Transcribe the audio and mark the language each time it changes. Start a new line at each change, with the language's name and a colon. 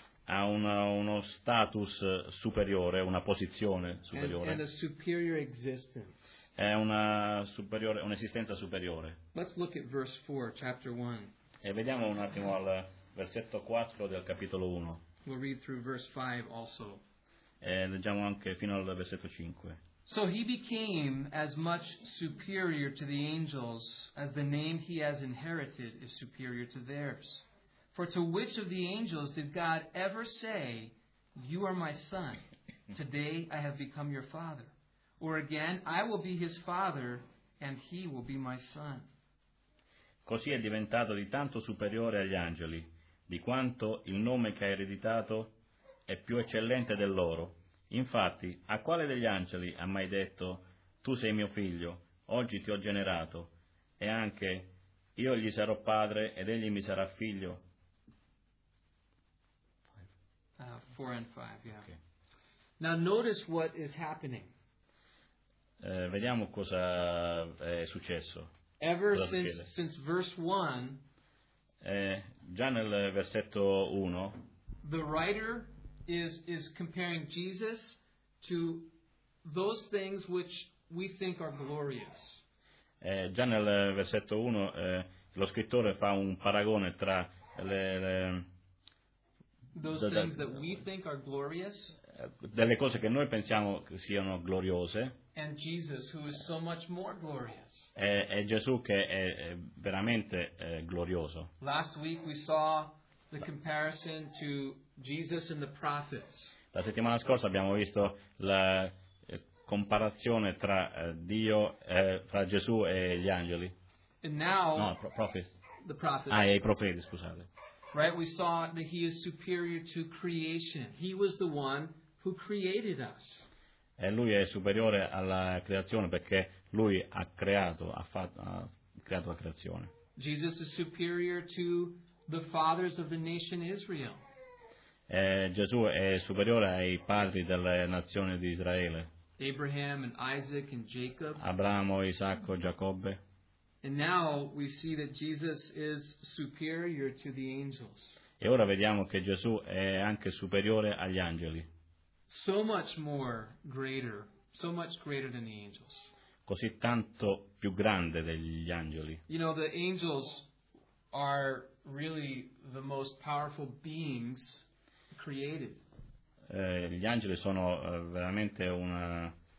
Italian: ha uno status superiore, una posizione superiore.
English: And a superior existence.
Italian: È una superiore, un'esistenza superiore.
English: Let's look at verse 4, chapter 1.
Italian: E vediamo un attimo al versetto 4 del capitolo 1.
English: We'll read through verse 5 also.
Italian: E leggiamo anche fino al versetto 5.
English: So he became as much superior to the angels as the name he has inherited is superior to theirs. For to which of the angels did God ever say, "You are my son, today I have become your father"? Or again, "I will be his father and he will be my son"?
Italian: Così è diventato di tanto superiore agli angeli, di quanto il nome che ha ereditato è più eccellente del loro. Infatti, a quale degli angeli ha mai detto, "Tu sei mio figlio, oggi ti ho generato"? E anche, "Io gli sarò padre ed egli mi sarà figlio"?
English: 4 and 5, yeah. Okay. Now notice what is happening.
Italian: Vediamo cosa è successo.
English: Ever since verse 1,
Italian: già nel versetto 1,
English: the writer is comparing Jesus to those things which we think are glorious.
Italian: Già nel versetto 1 lo scrittore fa un paragone tra le
English: those things that we think are glorious,
Italian: delle cose che noi pensiamo che siano gloriose,
English: and Jesus, who is so much more glorious.
Italian: È Gesù che è veramente glorioso.
English: Last week we saw the comparison to Jesus and the prophets.
Italian: La settimana scorsa abbiamo visto la comparazione tra Dio, tra Gesù e gli angeli.
English: And now, no, prophets. The prophets.
Italian: Ah, i profeti, scusate.
English: Right, we saw that he is superior to creation. He was the one who created us.
Italian: E lui è superiore alla creazione perché lui ha creato la creazione.
English: Jesus is superior to the fathers of the nation Israel.
Italian: Gesù è superiore ai padri della nazione di Israele.
English: Abraham and Isaac and Jacob.
Italian: Abramo, Isacco, Giacobbe.
English: And now we see that Jesus is superior to the angels.
Italian: E ora vediamo che Gesù è anche superiore agli angeli.
English: So much more greater, so much greater than the angels.
Italian: Così tanto più grande degli angeli.
English: You know, the angels are really the most powerful beings created.
Italian: Gli angeli sono veramente una